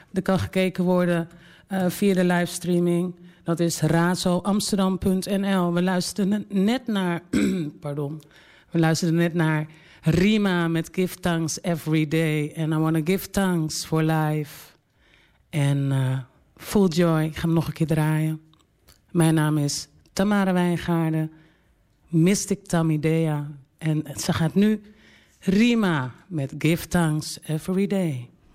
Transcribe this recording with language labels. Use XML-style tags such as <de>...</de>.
<nl>Er kan gekeken worden via de livestreaming. Dat is razoamsterdam.nl. We luisterden net naar We luisterden net naar Rima met Give Thanks Every Day.</nl> <en>And I want to give thanks for life. En full joy.</en> <nl>Ik ga hem nog een keer draaien. Mijn naam is Tamara Wijngaarden, Mystic Tamidea. En ze gaat nu Rima met Give Thanks Every Day.</nl>